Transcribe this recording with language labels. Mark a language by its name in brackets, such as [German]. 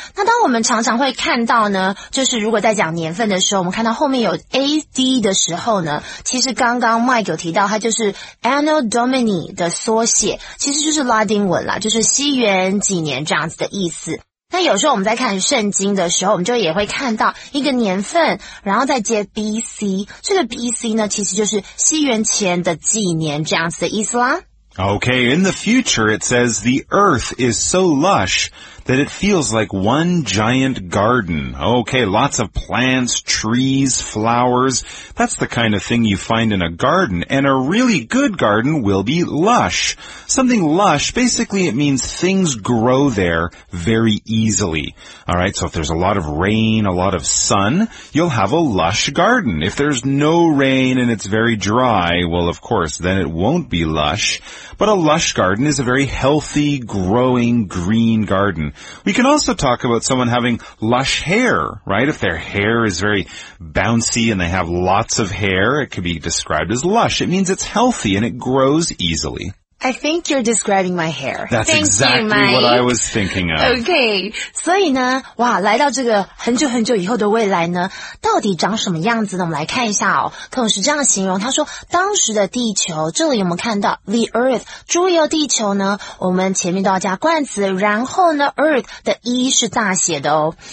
[Chinese] 那当我们常常会看到呢，就是如果在讲年份的时候，我们看到后面有 AD 的时候呢，其实刚刚 Mike 有提到，它就是 Anno Domini 的缩写，其实就是拉丁文啦，就是西元几年这样子的意思。那有时候我们在看圣经的时候，我们就也会看到一个年份，然后再接 BC， 这个 BC 呢，其实就是西元前的几年这样子的意思啦。 [English] Okay, in the future, it says, the earth is so lush that it feels like one giant garden. Okay, lots of plants, trees, flowers. That's the kind of thing you find in a garden. And a really good garden will be lush. Something lush, basically it means things grow there very easily. All right, so if there's a lot of rain, a lot of sun, you'll have a lush garden. If there's no rain and it's very dry, well, of course, then it won't be lush. But a lush garden is a very healthy, growing, green garden. We can also talk about someone having lush hair, right? If their hair is very bouncy and they have lots of hair, it could be described as lush. It means it's healthy and it grows easily. I think you're describing my hair. That's exactly what I was thinking of. Okay. [Chinese] 所以呢，哇，来到这个很久很久以后的未来呢，到底长什么样子呢？我们来看一下哦。可能是这样形容，他说当时的地球，这里我们看到 the earth， 注意哦，地球呢，我们前面都要加冠词，然后呢 earth 的 e 是大写的哦。